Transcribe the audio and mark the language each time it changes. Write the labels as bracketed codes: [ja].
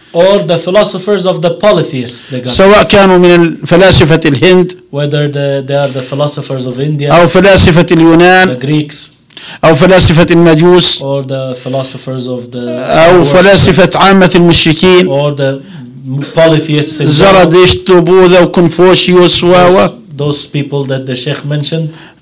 [en] Or the philosophers of the polytheists. [ar] سواء كانوا من فلاسفة الهند. [en] Whether they are the philosophers of India. [ar] أو فلاسفة اليونان. [en] The Greeks. [ar] أو فلاسفة المجوس. [en] Or the philosophers of the. [ar] أو فلاسفة عامة المشركين. [en] Or the polytheists. [ar] زرادشت وبوذا وكونفوشيوس واو. [en] Those people that the Sheikh mentioned.